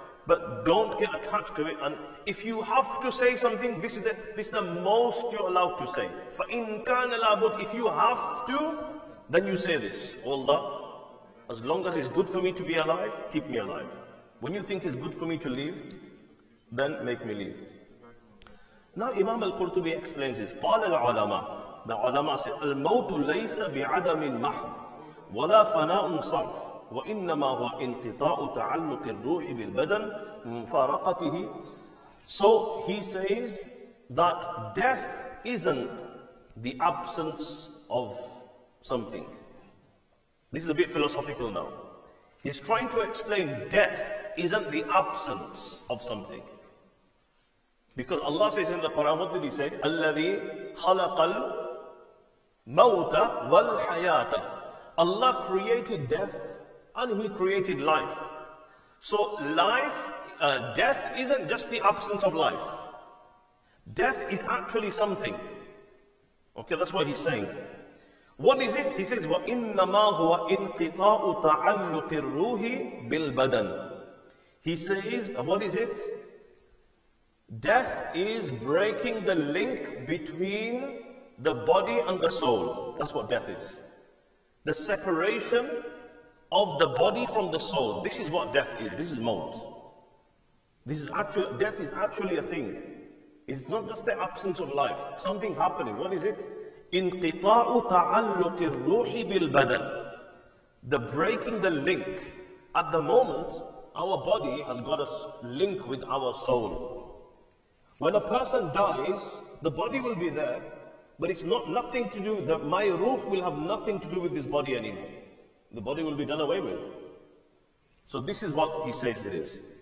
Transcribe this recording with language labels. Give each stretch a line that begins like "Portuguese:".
English: But don't get attached to it. And if you have to say something, this is the most you're allowed to say.
Arabic: فَإِن كَانَ لَابُدْ.
English: If you have to, then you say this, oh Allah, as long as it's good for me to be alive, keep me alive. When you think it's good for me to live, then make me live. Now Imam Al-Qurtubi explains this.
Arabic: قَالَ الْعُلَمَا.
English: The ulama said,
Arabic: الْمَوْتُ لَيْسَ بِعَدَمٍ مَحْضٍ وَلَا فَنَاءٌ صَرْفٍ وَإِنَّمَا هُوَ انْتِطَاءُ تَعَلُّقِ الرُّوحِ بِالْبَدَنِ مُفَارَقَتِهِ.
English: So he says that death isn't the absence of something. This is a bit philosophical now. He's trying to explain death isn't the absence of something. Because Allah says in the Quran, what did He say?
Arabic: الَّذِي خَلَقَ الْمَوْتَ وَالْحَيَاةَ.
English: Allah created death and He created life. So life, death isn't just the absence of life. Death is actually something. Okay, that's what He's saying. What is it? He says,
Arabic: وَإِنَّمَا هُوَ إِنْقِطَاءُ تَعَلُّقِ الرُّوحِ بِالْبَدَنِ.
English: He says, what is it? Death is breaking the link between the body and the soul. That's what death is. The separation of the body from the soul. This is what death is. This is maut. This is actually, death is actually a thing. It's not just the absence of life. Something's happening. What is it?
Arabic: انقطاعُ تعلقِ الروحِ بالبدن.
English: The breaking the link. At the moment, our body has got a link with our soul. When a person dies, the body will be there, but it's not nothing to do, that my ruh will have nothing to do with this body anymore. The body will be done away with. So this is what he says it is.